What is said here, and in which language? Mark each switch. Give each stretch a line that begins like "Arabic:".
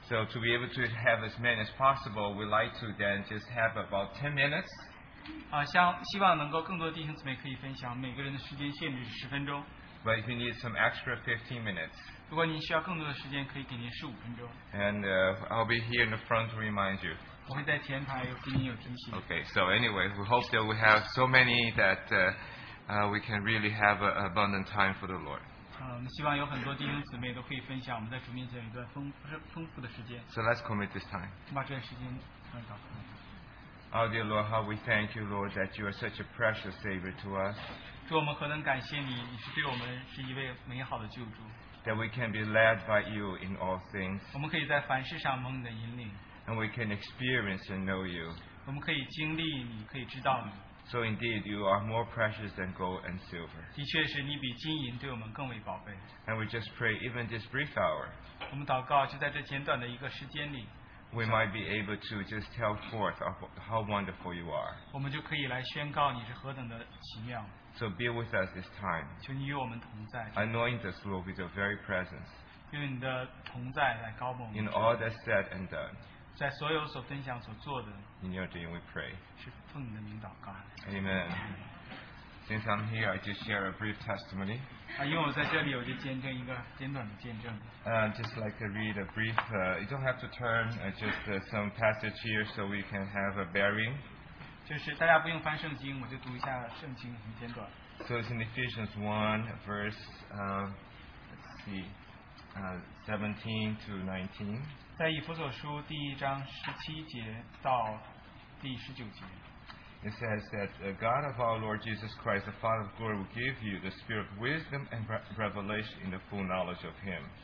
English: So to be able to have as many as possible, we like to then just have about 10 minutes.
Chinese: 希望能够更多弟兄姊妹可以分享，每个人的时间限制是10分钟。
English: But if you need some extra 15 minutes,
Chinese: 如果你需要更多的时间, 可以给您15分钟。
English: And I'll be here in the front to remind you.
Chinese: 我会在前台给您有提醒。
English: Okay, so anyway, we hope that we have so many that we can really have an abundant time for the Lord.
Chinese: 希望有很多弟兄姊妹都可以分享我们在主面前一段丰富的时间。
English: So let's commit this time.
Chinese: 把这段时间祷告。
English: Oh dear Lord, how we thank you, Lord, that you are such a precious Savior to us.
Chinese: 主，我们何等感谢你，你是对我们是一位美好的救主。
English: That we can be led by you in all things.
Chinese: 我们可以在凡事上蒙你的引领。
English: And we can experience and know you.
Chinese: 我们可以经历你，可以知道你。
English: So indeed, you are more precious than gold and silver.
Chinese: 的确是你比金银对我们更为宝贝。
English: And we just pray, even this brief hour,
Chinese: 我们祷告就在这简短的一个时间里。
English: We might be able to just tell forth how wonderful you are.
Chinese: 我们就可以来宣告你是何等的奇妙。
English: So be with us this time.
Chinese: 求你与我们同在,
English: anoint us, Lord, with your very presence.
Chinese: 用你的同在来高牧我们,
English: in all that's said and done.
Chinese: 在所有所分享所做的,
English: in your name we pray.
Chinese: 是奉你的名祷告,
English: Amen. Since I'm here, I just share a brief testimony. Just like to read a brief, you don't have to turn, just some passage here so we can have a bearing.
Chinese: 就是大家不用翻圣经,
English: so it's in Ephesians 1, verse, let's see, 17 to 19.
Chinese: 在以弗所书第一章17节到第19节。
English: It says that the God of our Lord Jesus Christ, the Father of glory, will give you the spirit of wisdom and revelation in the full knowledge of Him.